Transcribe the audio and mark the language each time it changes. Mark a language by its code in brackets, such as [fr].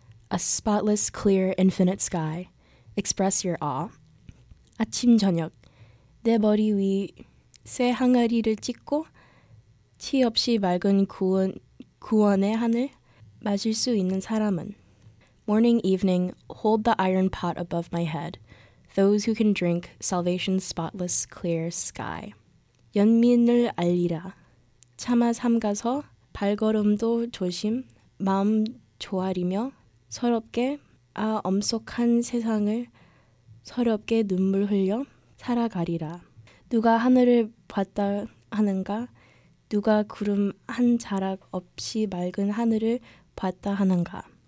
[en] A spotless, clear, infinite sky. Express your awe. [ko] 아침 저녁, 내 머리 위 새 항아리를 찢고 티 없이 맑은 구원의 하늘 마실 수 있는 사람은 [en] Morning, evening, hold the iron pot above my head. Those who can drink salvation's spotless clear sky. [ko] 연민을 알리라. 차마 삼가서 발걸음도 조심 마음 조아리며 서럽게 아 엄숙한 세상을 서럽게 눈물 흘려 살아가리라. 누가 하늘을 봤다 하는가? 누가 구름 한 자락 없이 맑은 하늘을 봤다 하는가?